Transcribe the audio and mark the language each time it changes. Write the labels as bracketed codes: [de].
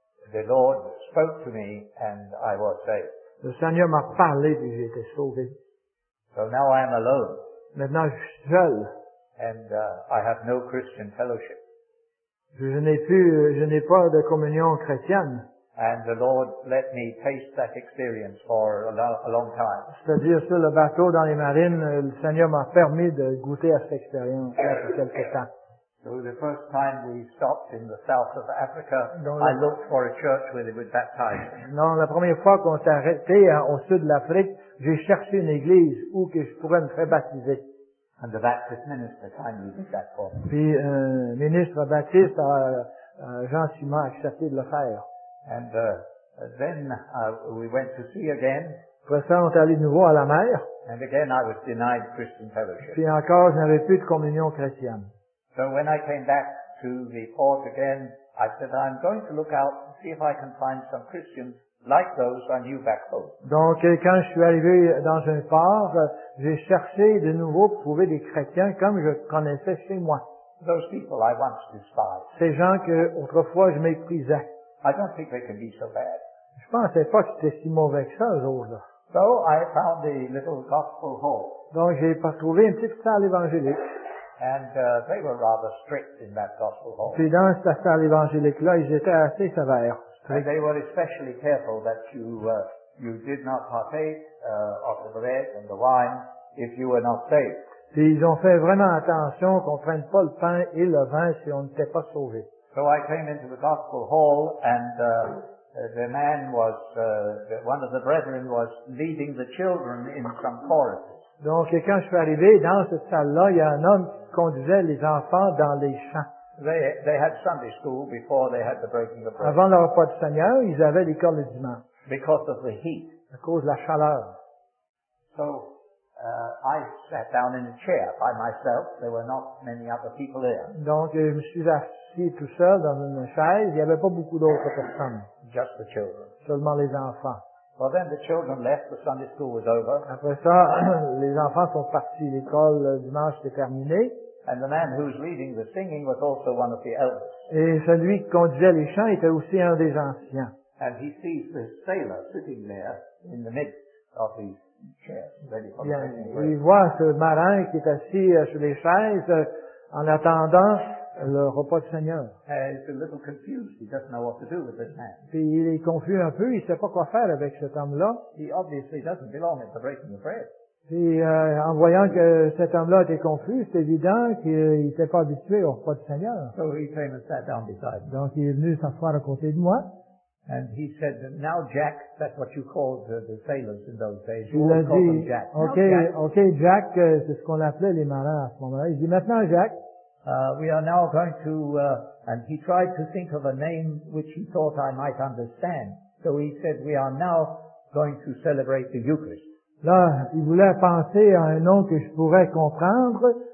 [en] The Lord spoke to me and I was saved. [fr] Le Seigneur m'a parlé et j'ai été sauvé. [en] So now I am alone. [fr] Maintenant je suis seul. [en] And I have no Christian fellowship. [fr] Je n'ai pas de communion chrétienne. [en] And the Lord let me taste that experience for a long time. [fr] C'est-à-dire sur le bateau dans les marines, le Seigneur m'a permis de goûter à cette expérience pour quelque temps. [en] So the first time we stopped in the south of Africa, I looked for a church where they would baptize. [fr] Non, la première fois qu'on s'est arrêté au sud de l'Afrique, j'ai cherché une église où que je pourrais me faire baptiser. [en] And the Baptist minister kindly did that for me. [fr] Puis ministre baptiste gentiment accepté de le faire. [en] And then we went to sea again. [fr] Après ça, on est allé de nouveau à la mer. [en] And again, I was denied Christian fellowship. [fr] Puis encore, je n'avais plus de communion chrétienne. [en] So when I came back to the port again, I said, I'm going to look out and see if I can find some Christians like those I knew back home. [fr] Donc, quand je suis arrivé dans un port, j'ai cherché de nouveau pour trouver des chrétiens comme je connaissais chez moi. [en] Those people I once despised. [fr] Ces gens que autrefois je méprisais. [en] I don't think they can be so bad. [fr] Je pensais pas que c'était si mauvais que ça, eux autres. [en] So I found a little gospel hall. [fr] Donc, j'ai trouvé une petite salle évangélique. [en] And they were rather strict in that gospel hall. [fr] Puis dans cette salle évangélique là, ils étaient assez sévères. [en] And they were especially careful that you did not partake of the bread and the wine if you were not saved. [fr] Et ils ont fait vraiment attention qu'on ne prenne pas le pain et le vin si on n'était pas sauvé. [en] So I came into the gospel hall and the man was one of the brethren was leading the children in some chorus. [fr] Donc et quand je suis arrivé dans cette salle-là, il y a un homme qui conduisait les enfants dans les chants. [en] They had Sunday school before they had the breaking of bread. [fr] Avant le repas du Seigneur, ils avaient l'école le dimanche. [en] Because of the heat. [fr] À cause de la chaleur. [en] So I sat down in a chair by myself. There were not many other people there. [fr] Donc je me suis assis tout seul dans une chaise. Il n'y avait pas beaucoup d'autres personnes. [en] Just the children. [fr] Seulement les enfants. [en] Well, then the children left. The Sunday school was over. [fr] Après ça, les enfants sont partis. L'école le dimanche était terminée. [en] And the man who was leading the singing was also one of the elders. [fr] Et celui qui conduisait les chants était aussi un des anciens. [en] And he sees the sailor sitting there in the midst of the chairs. [fr] Il voit ce marin qui est assis sur les chaises en attendant le repas du Seigneur. [en] He's a little confused. He doesn't know what to do with this man. [fr] Puis il est confus un peu. Il ne sait pas quoi faire avec cet homme-là. [en] He obviously doesn't belong at the breaking of bread. [fr] Puis en voyant que cet homme-là était confus, c'est évident qu'il n'était pas habitué au repas du Seigneur. [en] So he came and sat down beside me. [fr] Donc il est venu s'asseoir à côté de moi. [en] And he said, "Now, Jack, that's what you called the sailors in those days. You call them Jack." [fr] Okay, Jack, c'est ce qu'on appelait les marins à ce moment-là. Il dit maintenant, Jack. [en] We are now going to, and he tried to think of a name which he thought I might understand. So he said, "We are now going to celebrate the Eucharist." [fr] Là, il voulait penser à un nom que je pourrais comprendre.